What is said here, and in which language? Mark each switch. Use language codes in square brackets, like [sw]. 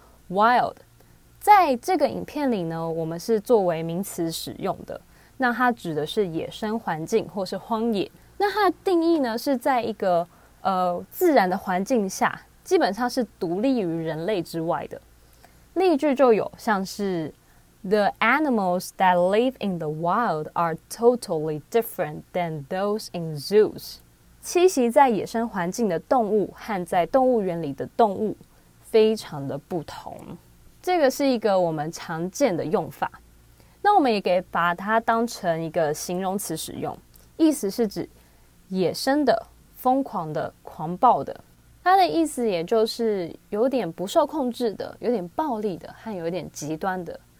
[zh] wild 在这个影片里呢，我们是作为名词使用的，那它指的是野生环境或是荒野。那它的定义呢，是在一个自然的环境下，基本上是独立于人类之外的。例句就有像是 [en] The animals that live in the wild are totally different than those in zoos. [zh] 栖息在野生环境的动物和在动物园里的动物非常的不同。这个是一个我们常见的用法。那我们也可以把它当成一个形容词使用，意思是指野生的、疯狂的、狂暴的，它的意思也就是有点不受控制的、有点暴力的和有点极端的。